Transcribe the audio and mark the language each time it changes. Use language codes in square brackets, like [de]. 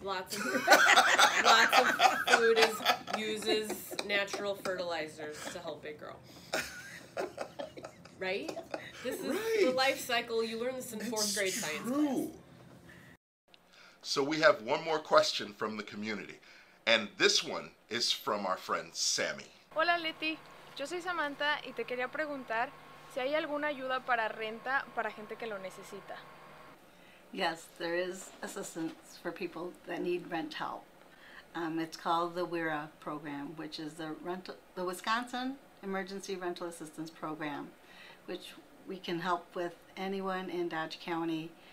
[en] Lots of food uses natural fertilizers to help it grow. Right? This is the life cycle. You learn this in fourth grade science class. So we have one more question from the community. And this one is from our friend Sammy. [es] Hola, Letty. Yo soy Samantha y te quería preguntar si hay alguna ayuda para renta para gente que lo necesita. [en] Yes, there is assistance for people that need rent help. It's called the WERA program, which is the Wisconsin Emergency Rental Assistance Program, which we can help with anyone in Dodge County.